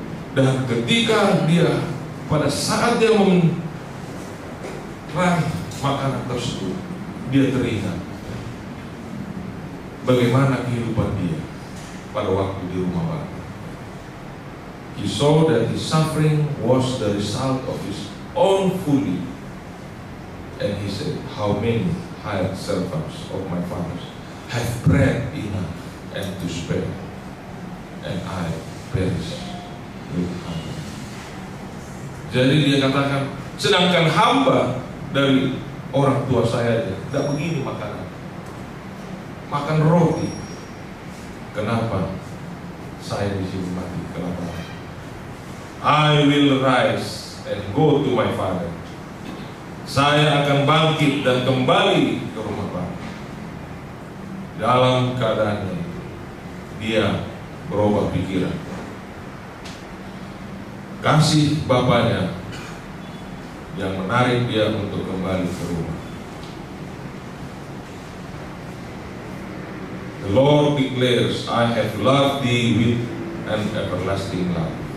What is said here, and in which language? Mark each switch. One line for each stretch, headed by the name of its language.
Indonesian: Dan ketika dia, pada saat dia meraih makanan tersebut, dia teringat bagaimana kehidupan dia pada waktu di rumah Bapa.
English: He saw that his suffering was the result of his own folly, and he said, how many hired servants of my father's have bread enough and to spare, and I perish with hunger.
Indonesian: Jadi dia katakan, sedangkan hamba dari orang tua saya tidak begini makanan, makan roti. Kenapa saya di sini mati? Kenapa?
English: I will rise and go to my father.
Indonesian: Saya akan bangkit dan kembali ke rumah Bapa. Dalam keadaan ini, dia berubah pikiran. Kasih bapaknya yang menarik dia untuk kembali ke rumah.
English: The Lord declares, I have loved thee with an everlasting love.